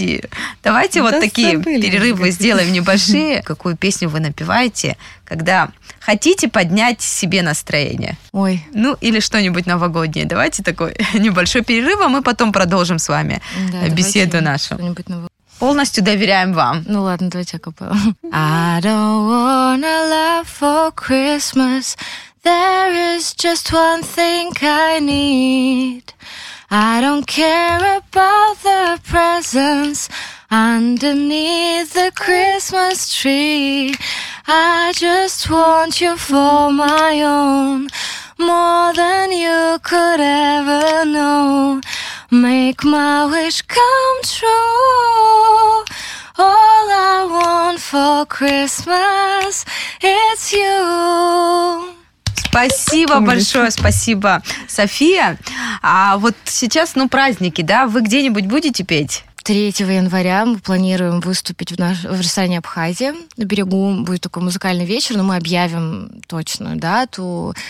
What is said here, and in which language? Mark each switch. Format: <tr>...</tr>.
<ru>И давайте вот такие перерывы сделаем небольшие. Какую песню вы напеваете, когда хотите поднять себе настроение? Ой. Ну, или что-нибудь новогоднее. Давайте такой небольшой перерыв, а мы потом продолжим с вами беседу нашу. Полностью доверяем вам. Ну ладно, давайте акапеллу.</ru> <en>I don't wanna laugh for Christmas. There is just one thing I need. I don't care about the presents underneath the Christmas tree. I just want you for my own. More than you could ever know. Make my wish come true. All I want for Christmas is you.</en> <ru>Спасибо большое, спасибо, София. А вот сейчас, ну, праздники, да? Вы где-нибудь будете петь? 3 января мы планируем выступить в ресторане Абхазия на берегу. Будет такой музыкальный вечер, но мы объявим точную дату.</ru>